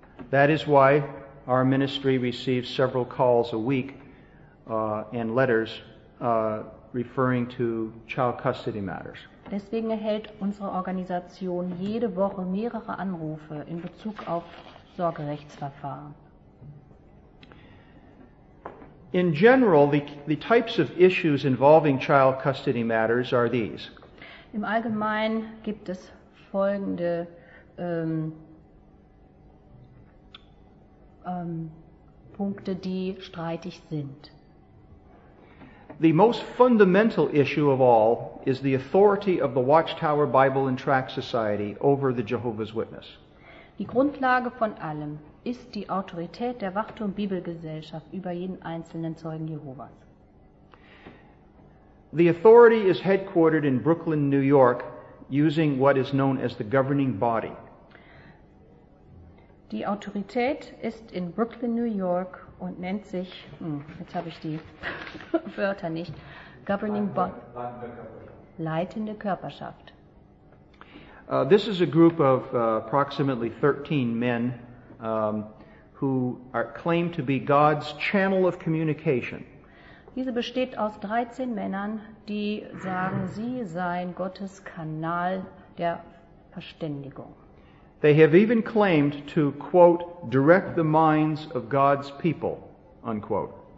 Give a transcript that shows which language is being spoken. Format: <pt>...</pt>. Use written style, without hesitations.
<en>That is why our ministry receives several calls a week and letters referring to child custody matters.</en> <de>Deswegen erhält unsere Organisation jede Woche mehrere Anrufe in Bezug auf Sorgerechtsverfahren.</de> <en>In general, the types of issues involving child custody matters are these.</en> <de>Im Allgemeinen gibt es folgende Punkte, die streitig sind.</de> <en>The most fundamental issue of all is the authority of the Watchtower Bible and Tract Society over the Jehovah's Witness.</en> <de>Die Grundlage von allem ist die Autorität der Wachturm Bibelgesellschaft über jeden einzelnen Zeugen Jehovas.</de> <en>The authority is headquartered in Brooklyn, New York, using what is known as the governing body.</en> <de>Die Autorität ist in Brooklyn, New York und nennt sich, jetzt habe ich die Wörter nicht, Governing Body, leitende Körperschaft.</de> <en>This is a group of approximately 13 men who are claimed to be God's channel of communication.</en> <de>Diese besteht aus 13 Männern, die sagen, sie seien Gottes Kanal der Verständigung.</de> <en>They have even claimed to, quote, direct the minds of God's people, unquote.</en>